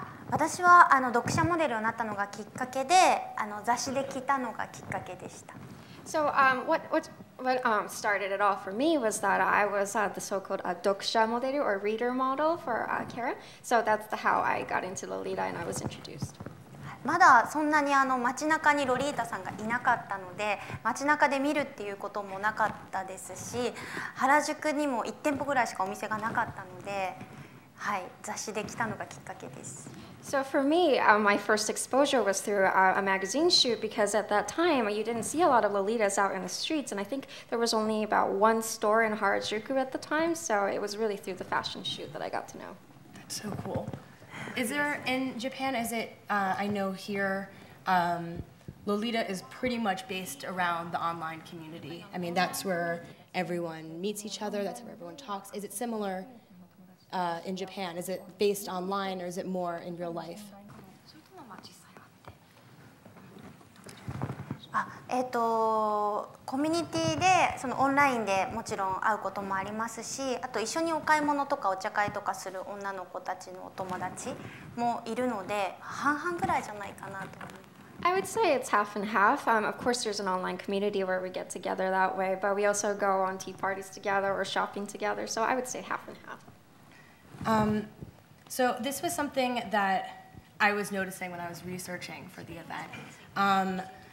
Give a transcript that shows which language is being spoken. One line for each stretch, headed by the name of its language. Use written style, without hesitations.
Japanese: 私は読者モデルになったのがきっかけで、雑誌で聞いたのがきっかけでした。
English: So what started it all for me was that I was the so-called doksha model or reader model for Kara. So that's how I got into Lolita and I was introduced.
Japanese: まだそんなに街中にロリータさんがいなかったので街中で見るっていうこともなかったですし原宿にも1店舗ぐらいしかお店がなかったので、はい、雑誌で来たのがきっかけです。
English: So for me, my first exposure was through a magazine shoot because at that time you didn't see a lot of Lolitas out in the streets and I think there was only about one store in Harajuku at the time, so it was really through the fashion shoot that I got to know. That's so cool. Is there, in Japan, is it, I know here, Lolita is pretty much based around the online community. I mean, that's where everyone meets each other, that's where everyone talks. Is it similar in Japan? Is it based online or is it more in real life?
Japanese: コミュニティでそのオンラインでもちろん会うこともありますし、あと一緒にお買い物とかお茶会とかする女の子たちのお友達もいるので、半々ぐらいじゃないかなと。
English: I would say it's half and half. Of course, there's an online community where we get together that way, but we also go on tea parties together or shopping together. So I would say half and half. So this was something that I was noticing when I was researching for the event.